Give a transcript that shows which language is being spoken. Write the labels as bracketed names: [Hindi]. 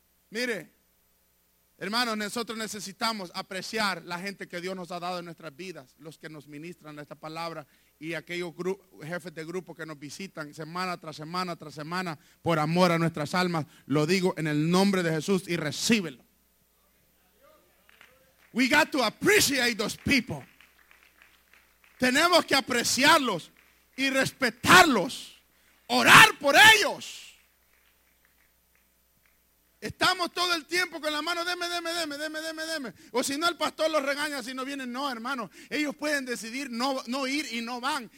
[Spanish] Mire, hermanos, nosotros necesitamos apreciar la gente que Dios nos ha dado en nuestras vidas, los que nos ministran esta palabra y aquellos jefes de grupo que nos visitan semana tras semana tras semana por amor a nuestras almas. Lo digo en el nombre de Jesús y recíbelo. [English] We got to appreciate those people. [Spanish] Tenemos que apreciarlos y respetarlos. Orar por ellos. Estamos todo el tiempo con la mano, deme. O si no, el pastor los regaña si no vienen. No, hermano, ellos pueden decidir no ir y no van.